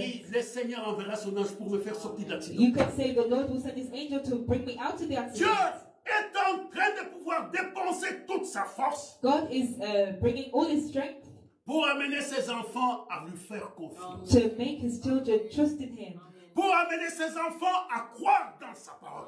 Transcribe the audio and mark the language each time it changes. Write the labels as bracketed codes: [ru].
[fr] Il dit, le Seigneur enverra son ange pour me faire sortir de l'accident. [en] You can say, the Lord will send his angel to bring me out of the accident. [fr] Dieu est en train de pouvoir dépenser toute sa force. [en] God is bringing all his strength. [fr] Pour amener ses enfants à lui faire confiance. [en] To make his children trust in him. [fr] Pour amener ses enfants à croire dans sa parole.